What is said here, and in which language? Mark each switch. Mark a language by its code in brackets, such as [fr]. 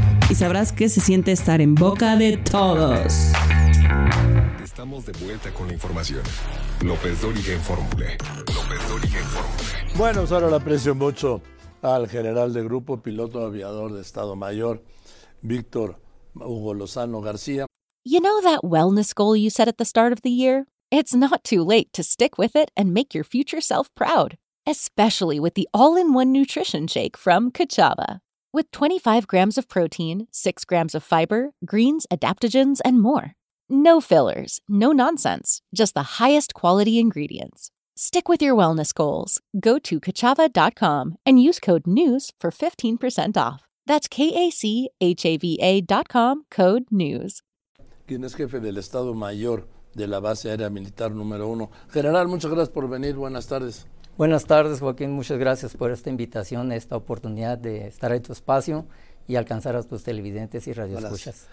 [es] Y sabrás qué se siente estar en boca de todos. Estamos de vuelta con la información. López Dóriga en Fórmula. López Dóriga en Fórmula. Bueno, ahora le aprecio mucho al general de grupo, piloto aviador de Estado Mayor, Víctor Hugo Lozano García. [en] You know that wellness goal you set at the start of the year? It's not too late to stick with it and make your future self proud, especially with the all-in-one nutrition shake from Kachava. With 25 grams of protein, 6 grams of fiber, greens, adaptogens, and more. No fillers, no nonsense, just the highest quality ingredients. Stick with your wellness goals. Go to kachava.com and use code NEWS for 15% off. That's kachava.com, code NEWS. [es] ¿Quién es jefe del Estado Mayor de la Base Aérea Militar número 1? General, muchas gracias por venir. Buenas tardes. Buenas tardes, Joaquín. Muchas gracias por esta invitación, esta oportunidad de estar en tu espacio y alcanzar a tus televidentes y radioescuchas.